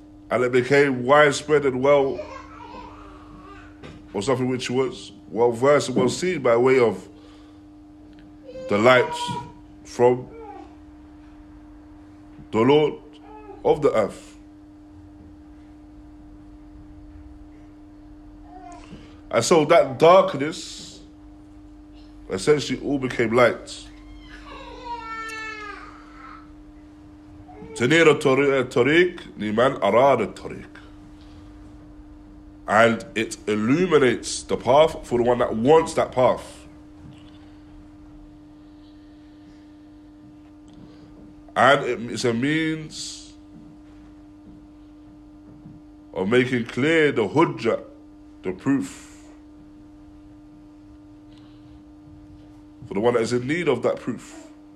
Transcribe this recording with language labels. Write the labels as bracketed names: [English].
[English] And it became widespread and well, or something which was well versed and well seen by way of the light from the Lord of the earth. And so that darkness essentially all became light. [Arabic] تنير الطريق لمن أراد الطريق. [English] And it illuminates the path for the one that wants that path. And it's a means of making clear the hujjah, the proof, for the one that is in need of that proof.